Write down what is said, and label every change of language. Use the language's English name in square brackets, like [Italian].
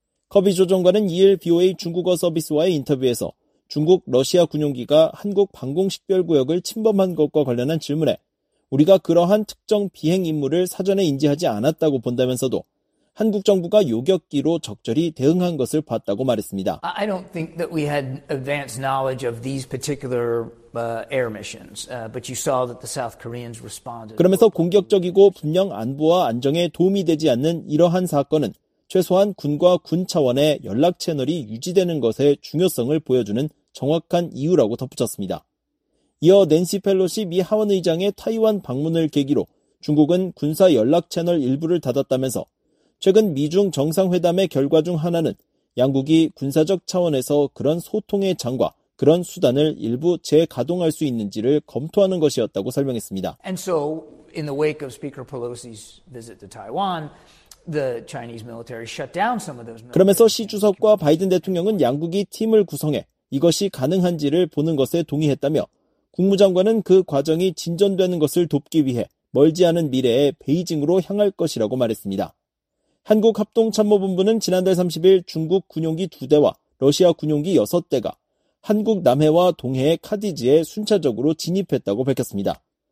[Korean] 커비 조정관은 2일 BOA 중국어 서비스와의 인터뷰에서 중국, 러시아 군용기가 한국 방공식별구역을 침범한 것과 관련한 질문에 우리가 그러한 특정 비행 임무를 사전에 인지하지 않았다고 본다면서도 한국 정부가 요격기로 적절히 대응한 것을 봤다고 말했습니다. [English] I don't think that we had advanced knowledge of these particular air missions, but you saw that the South Koreans responded. [Korean] 그러면서 공격적이고 분명 안보와 안정에 도움이 되지 않는 이러한 사건은 최소한 군과 군 차원의 연락 채널이 유지되는 것의 중요성을 보여주는 정확한 이유라고 덧붙였습니다. 이어 낸시 펠로시 미 하원 의장의 타이완 방문을 계기로 중국은 군사 연락 채널 일부를 닫았다면서 최근 미중 정상회담의 결과 중 하나는 양국이 군사적 차원에서 그런 소통의 장과 그런 수단을 일부 재가동할 수 있는지를 검토하는 것이었다고 설명했습니다. [English] And so in the wake of Speaker Pelosi's visit to Taiwan, the Chinese military shut down some of those. [Korean] 그러면서 시 주석과 바이든 대통령은 양국이 팀을 구성해 이것이 가능한지를 보는 것에 동의했다며 국무장관은 그 과정이 진전되는 것을 돕기 위해 멀지 않은 미래에 베이징으로 향할 것이라고 말했습니다. 한국합동참모본부는 지난달 30일 중국 군용기 2대와 러시아 군용기 6대가 한국 남해와 동해의 카디즈에 순차적으로 진입했다고 밝혔습니다.